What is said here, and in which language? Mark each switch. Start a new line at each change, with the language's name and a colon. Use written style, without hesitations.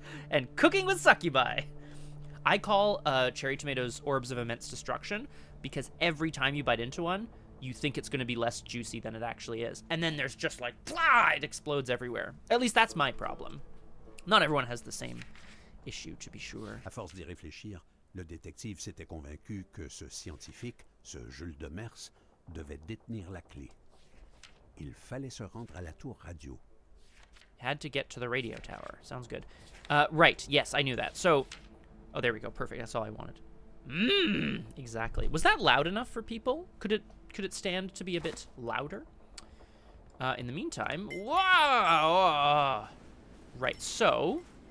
English: And cooking with succubi. I call cherry tomatoes orbs of immense destruction because every time you bite into one, you think it's going to be less juicy than it actually is. And then there's just like, it explodes everywhere. At least that's my problem. Not everyone has the same issue, to be sure.
French: À force d'y réfléchir, le détective s'était convaincu que ce scientifique, ce Jules de Merse, devait détenir la clé. Il fallait se rendre à la tour radio.
English: Had to get to the radio tower. Sounds good. Right. Yes, I knew that. So... oh, there we go. Perfect. That's all I wanted. Mmm! Exactly. Was that loud enough for people? Could it stand to be a bit louder? In the meantime... Whoa! Right, so...